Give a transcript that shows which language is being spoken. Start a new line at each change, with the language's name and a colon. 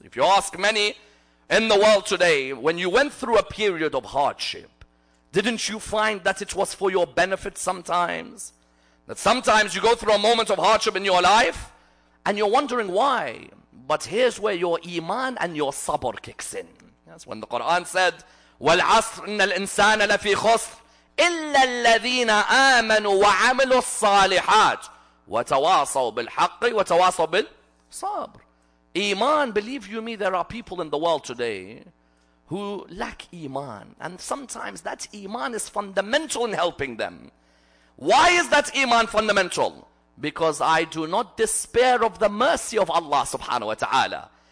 English: If you ask many in the world today, when you went through a period of hardship, didn't you find that it was for your benefit sometimes? That sometimes you go through a moment of hardship in your life, and you're wondering why. But here's where your iman and your sabr kicks in. That's when the Quran said,
Arabic: وَالْعَصْرِ إِنَّ الْإِنسَانَ لَفِي خُسْرٍ إِلَّا الَّذِينَ آمَنُوا وَعَمِلُوا الصَّالِحَاتِ وَتَوَاصَوْا بِالْحَقِّ وَتَوَاصَوْا بِالصَّبْرِ.
English: Iman, believe you me, there are people in the world today who lack iman. And sometimes that iman is fundamental in helping them. Why is that iman fundamental? Because I do not despair of the mercy of Allah subhanahu wa ta'ala.